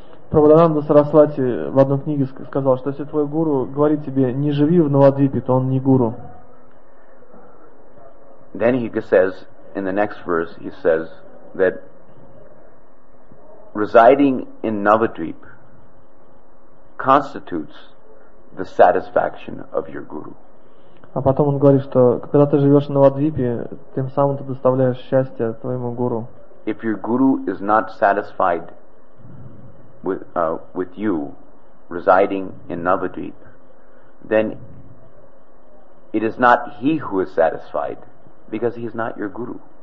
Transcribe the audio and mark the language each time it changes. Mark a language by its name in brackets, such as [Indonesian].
[Russian] Prabhupada Saraswati в одной книге сказал, что если твой гуру говорит тебе не живи в Навадвипе, то он не гуру. [English] Then he says in the next verse, he says that residing in Navadvip constitutes the satisfaction of your guru. [Russian] А потом он говорит, что когда ты живешь на Вадвипе, тем самым ты доставляешь счастье твоему гуру. [English] If your guru is not satisfied with you residing in Navadvip, then it is not he who is satisfied, because he is not your guru.